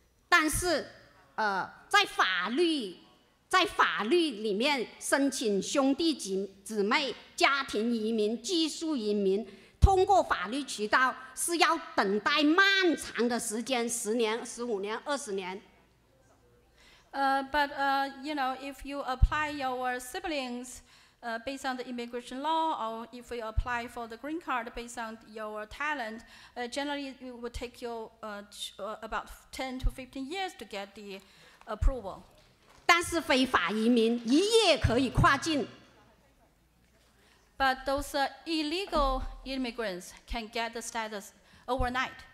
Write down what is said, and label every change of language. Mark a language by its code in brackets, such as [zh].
[zh] 但是，在法律里面申请兄弟姐妹、家庭移民、技术移民，通过法律渠道是要等待漫长的时间，10年、15年、20年。 [en] But you know, if you apply your siblings based on the immigration law, or if you apply for the green card based on your talent, generally it would take you about 10 to 15 years to get the approval. [zh] 但是非法移民一夜可以跨境。 [en] But those illegal immigrants can get the status overnight.